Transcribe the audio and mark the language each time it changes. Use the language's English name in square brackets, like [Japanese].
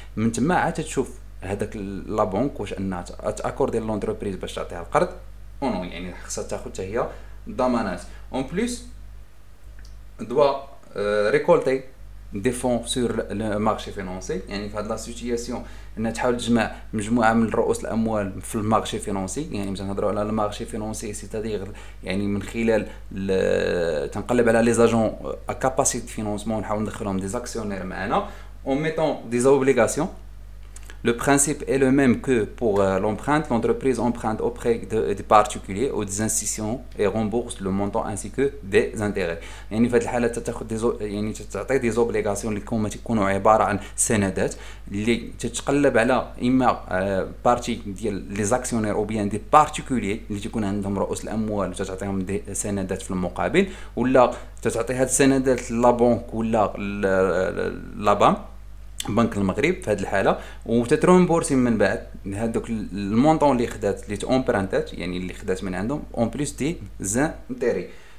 [Arabic] من تما عاد تشوف هذاك لا بونك واش انها تاكوردي لونتربريز باش تعطيها القرض اونو، يعني خاصها تاخذ حتى هي ضمانات. [French] اون بليس doit récolter des fonds sur le marché financier. [Arabic] يعني في هذه لا سيتياسيون ان تحاول تجمع مجموعه من رؤوس الاموال في المارشي فينونسي، يعني مثلا نهضروا على المارشي فينونسي سيتادير، يعني من خلال تنقلب على لي زاجون ا كاباسيت فينونسمون، نحاول ندخلهم دي زاكسيونير معنا اون ميتون دي زوبليغاسيون. [French] Le principe est le même que pour l'emprunt. L'entreprise emprunte auprès de particuliers ou des institutions et rembourse le montant ainsi que des intérêts. [Arabic] يعني في هذه الحالة تاخذ يعني تعطي دي زوبليغاسيون اللي كوما تكونوا عبارة عن سندات اللي تتقلب على اما بارتي ديال لي زاكسيونير او بيان دي بارتيكولي اللي تكون عندهم رؤوس الاموال وتعطيهم دي سندات في المقابل، ولا تتعطي هاد السندات لابونك ولا لابام بنك المغرب في هذه الحاله، وتترومبورسي من بعد هذوك المونطون اللي خدات اللي تومبرانتات، يعني اللي خدات من عندهم اون بليس دي زانتيري.